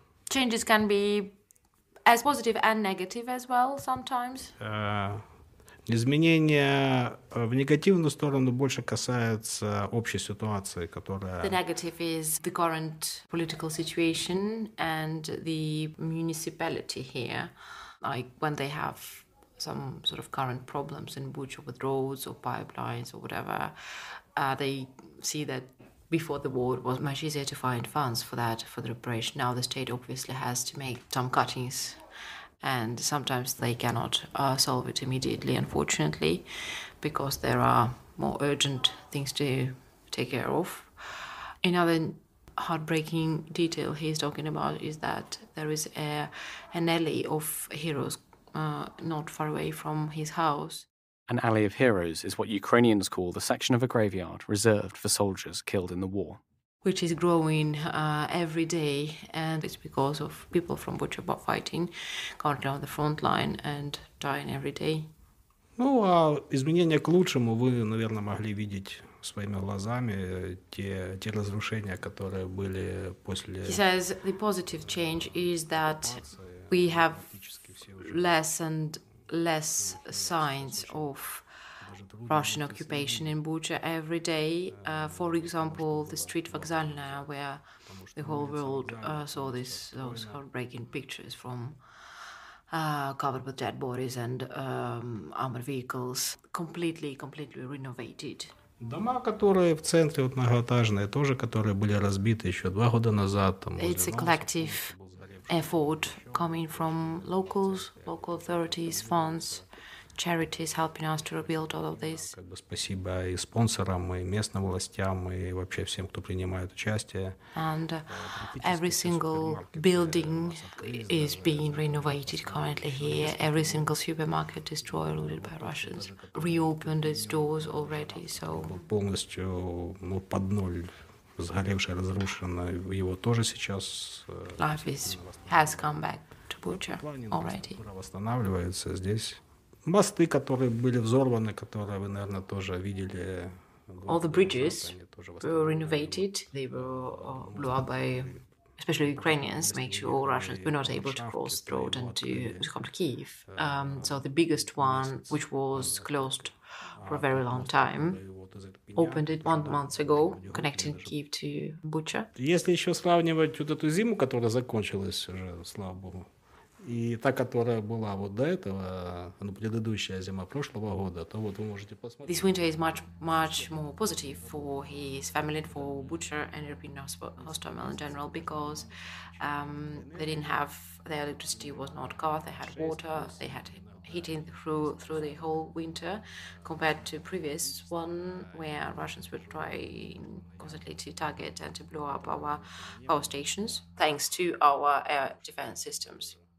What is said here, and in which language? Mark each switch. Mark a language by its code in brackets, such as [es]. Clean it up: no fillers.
[en] Changes can be as positive and negative as well, sometimes. [ru] Изменения в негативную сторону больше касаются общей ситуации, которая... [en] The negative is the current political situation and the municipality here. Like when they have some sort of current problems in Bucha with roads or pipelines or whatever, they see that before the war it was much easier to find funds for that, for the reparation. Now the state obviously has to make some cuttings, and sometimes they cannot solve it immediately, unfortunately, because there are more urgent things to take care of. Another heartbreaking detail he's talking about is that there is an alley of heroes not far away from his house. An alley of heroes is what Ukrainians call the section of a graveyard reserved for soldiers killed in the war, which is growing every day, and it's because of people from Bucha fighting currently on the front line and dying every day. [ru] Ну, а изменения к лучшему вы, наверное, могли видеть своими глазами те разрушения, которые были после. [en] He says the positive change is that we have less and less signs of Russian occupation in Bucha every day. For example, the street Vokzalna, where the whole world saw this, those heartbreaking pictures from covered with dead bodies and armored vehicles, completely renovated. [ru] Дома, [uk] які в центрі от многоэтажні, теж, які були розбиті ще 2 роки назад, там. [en] It's a collective effort coming from locals, local authorities, funds, charities helping us to rebuild all of this. [ru] Спасибо [uk] і спонсорам, і місцевим властям, і вообще всім, хто приймає участь. [en] And every single building is being renovated currently here. Every single supermarket destroyed, looted by Russians, reopened its doors already. So [uk] повністю, ну, під нуль, згорівши, розрушено, його теж зараз [en] life is, has come back to Bucha already. [ru] Восстанавливається здесь. [uk] Мости, які були взорвані, які ви, мабуть, теж бачили. [en] All the bridges were renovated. They were blew up by especially Ukrainians, make sure all Russians were not able to cross the road and to come to Kyiv. So the biggest one, which was closed for a very long time, opened it 1 month ago, connecting Kyiv to Bucha. [uk] Якщо ще [ru] сравнивати от эту зиму, которая закончилась уже, слава Богу, [uk] і та, яка була [ru] вот до этого, ну, предыдущая зима прошлого года, то вот вы можете посмотреть. [en] This winter is much, much more positive for his family, for Bucha and European Hostomel in general, because they didn't have, their electricity was not covered, they had water, they had heating through the whole winter, compared to previous one where Russians were trying constantly to target and to blow up our power stations, thanks to our air defense systems.